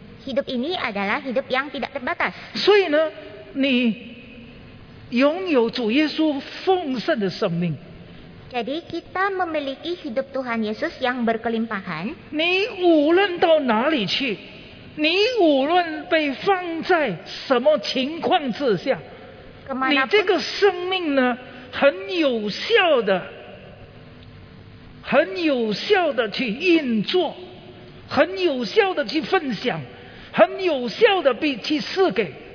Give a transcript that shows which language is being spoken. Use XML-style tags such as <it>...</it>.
<id>Hidup ini adalah hidup yang tidak terbatas.</id> <zh>所以呢, 你拥有主耶稣丰盛的生命。</zh> <id>Jadi kita memiliki hidup Tuhan Yesus yang berkelimpahan.</id> <zh>你无论到哪里去, 你无论被放在什么情况之下, 你这个生命呢, 很有效的, 很有效的去运作, 很有效的去分享, 很有效的去赐给。</zh>